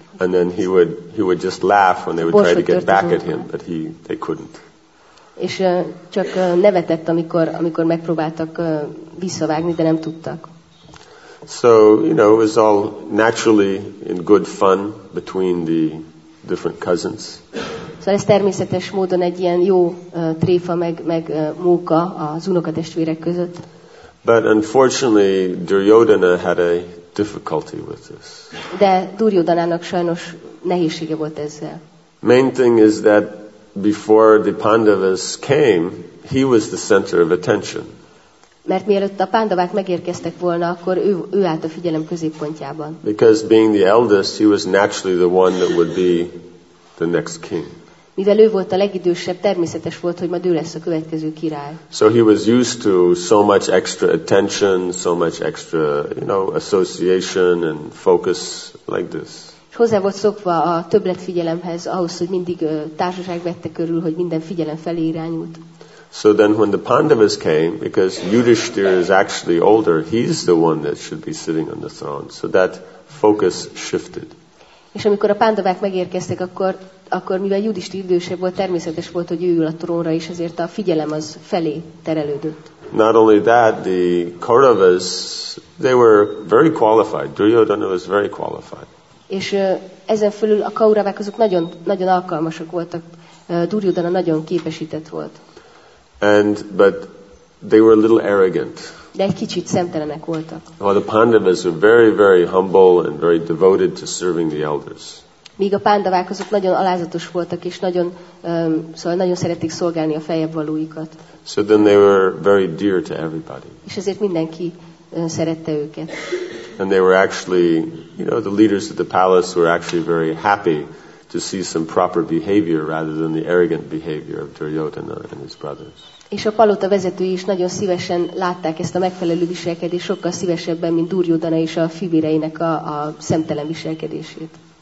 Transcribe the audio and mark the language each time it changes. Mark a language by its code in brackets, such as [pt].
[en] and then he would just laugh when they would try to get back at him, but they couldn't. [hu] És csak nevetett, amikor megpróbáltak visszavágni, de nem tudtak. [en] So, you know, it was all naturally in good fun between the different cousins. [hu] Szóval ez természetes módon egy ilyen jó tréfa meg móka az unokatestvérek között. [en] But unfortunately, Duryodhana had a difficulty with this. [hu] De Duryodhanának sajnos nehézsége volt ezzel. [en] Main thing is that before the Pandavas came, he was the center of attention. [hu] Mert mielőtt a pándavák megérkeztek volna, akkor ő állt a figyelem középpontjában. [en] Because being the eldest, he was naturally the one that would be the next king. [hu] Mivel ő volt a legidősebb, természetes volt, hogy majd ő lesz a következő király. [en] So he was used to so much extra attention, so much extra, you know, association and focus like this. [hu] És hozzá volt szokva a többletfigyelemhez, ahhoz, hogy mindig társaság vette körül, hogy minden figyelem felé irányult. [en] So then when the Pandavas came, because Yudhishthira is actually older, he's the one that should be sitting on the throne. So that focus shifted. [hu] És amikor a pándavák megérkeztek, akkor mivel Yudhishthira idősebb volt, természetes volt, hogy ő ül a trónra, és ezért a figyelem az felé terelődött. [en] Not only that, the Kauravas, they were very qualified. Duryodhana was very qualified. [hu] És ezen fölül a Kauravák azok nagyon, nagyon alkalmasak voltak. Duryodhana nagyon képesített volt. [en] But they were a little arrogant. [hu] De egy kicsit szemtelenek voltak. [en] While the Pandavas were very, very humble and very devoted to serving the elders. [hu] Míg a pándavák azok nagyon alázatos voltak és nagyon, szóval nagyon szeretik szolgálni a feljebb valóikat. [en] So then they were very dear to everybody. [hu] És ezért mindenki szerette őket. [en] And they were actually, you know, the leaders of the palace were actually very happy to see some proper behavior rather than the arrogant behavior of Duryodhana and his brothers. [hu] És a palota vezetői is nagyon szívesen látták ezt a megfelelő viselkedést, sokkal szívesebben, mint Duryodhana és a fivéreinek a szemtelen viselkedését.